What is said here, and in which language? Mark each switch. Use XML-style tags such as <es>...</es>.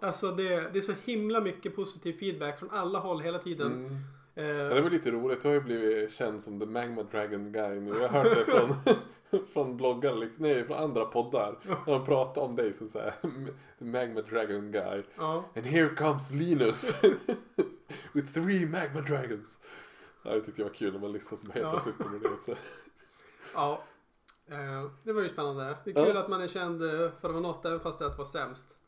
<sv>Alltså det är så himla mycket positiv feedback från alla håll hela tiden. Mm. Ja, det var lite roligt. Jag har ju blivit känd som The Magma Dragon Guy nu. Jag har hört det från, från bloggar, liksom, nej, från andra poddar. När de pratar om dig som säger The Magma Dragon Guy. Ja.</sv> <en>And here comes Linus with three Magma Dragons.</en> <sv>Ja, jag tyckte det var kul när man lyssnade som helt plötsligt på det. Så. Ja, det var ju spännande. Det är kul att man är känd för att vara något, även fast det var sämst.</sv>